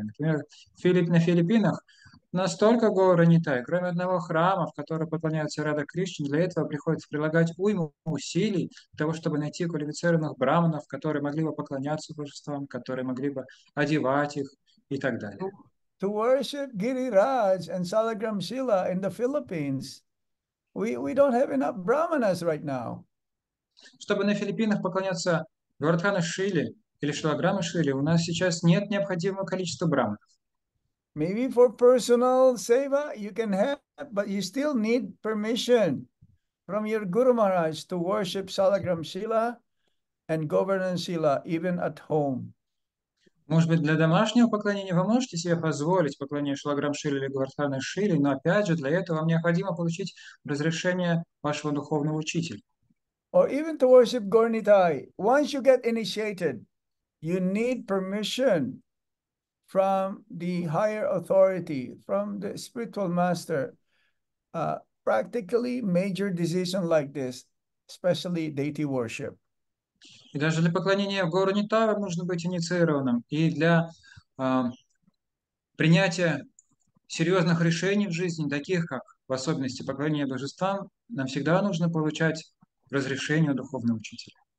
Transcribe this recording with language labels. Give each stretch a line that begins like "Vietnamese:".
Russian: Например, на Филиппинах настолько Горнита, кроме одного храма, в котором поклоняется Рада Кришна, для этого приходится прилагать уйму усилий для того, чтобы найти квалифицированных браманов, которые могли бы поклоняться божествам, которые могли бы одевать их и так далее.
English: To worship Giriraj and Salagram Shila in the Philippines, we don't have enough brahmanas right now.
Russian: Чтобы на Филиппинах поклоняться Гурдхана Шили или Шилаграма Шили, у нас сейчас нет необходимого количества браманов.
English: Maybe for personal seva you can have, but you still need permission from your Guru Maharaj to worship Salagram Shila and Govardhan Shila even at home.
Russian: Может быть, для домашнего поклонения вы можете себе позволить поклонение Шилаграм Шили или Гвардхана Шили, но опять же, для этого вам необходимо получить разрешение вашего духовного учителя.
English: Or even to worship Gornitai. Once you get initiated, you need permission from the higher authority, from the spiritual master. Practically major decision like this, especially deity worship.
Russian: И даже для поклонения в гору Нитава нужно быть инициированным. И для принятия серьезных решений в жизни, таких как в особенности поклонения божествам, нам всегда нужно получать разрешение у духовного учителя.